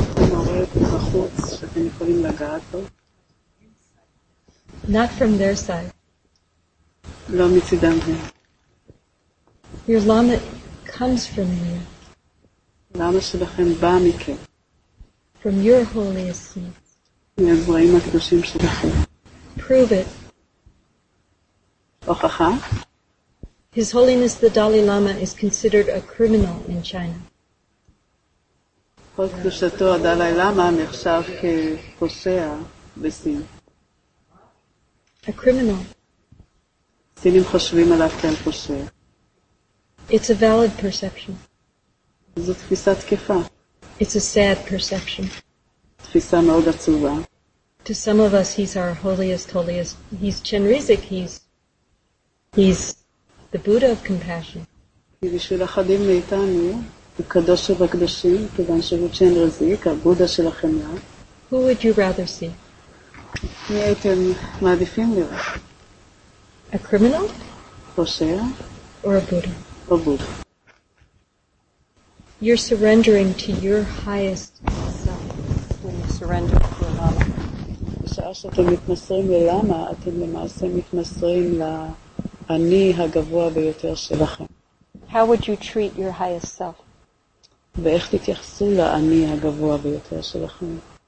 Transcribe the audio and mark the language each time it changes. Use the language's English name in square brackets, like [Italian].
[Hebrew] מורה בחוץ שאתם יכולים לגעת בו? [English] Not from their side. [Hebrew] לא מצדם הם. [English] Your lama comes from you. [Hebrew] למה שלכם בא מכם? [English] From your holiest seeds. [Hebrew] מהזרעים הקדושים שלכם. [English] Prove it. [Hebrew] הוכחה? [English] His Holiness the Dalai Lama is considered a criminal in China. [Hebrew] כל קדושתו הדלאי לאמה נחשב כפושע בסין. [English] A criminal. [Hebrew] סינים חושבים עליו כאל פושע. [English] It's a valid perception. [Hebrew] זו תפיסה תקפה. [English] It's a sad perception. [Hebrew] תפיסה מאוד עצובה. [English] To some of us, he's our holiest, holiest. He's Chenrezig. He's the Buddha of compassion. [Hebrew] כי בשביל אחדים מאיתנו, הוא קדוש ובקדושים, כיוון שהוא צ'נרזיק, הבודה של החמלה. [English] Who would you rather see? [Hebrew] מי הייתם מעדיפים לראות? [English] A criminal? [Hebrew] פושע? [English] Or a Buddha? [Hebrew] או בודה. [English] You're surrendering to your highest self when you surrender to your lama. [Hebrew] בשעה שאתם מתמסרים ללמה, אתם למעשה מתמסרים לאני הגבוה ביותר שלכם. [English] How would you treat your highest self? [Hebrew] ואיך תתייחסו לאני הגבוה ביותר שלכם?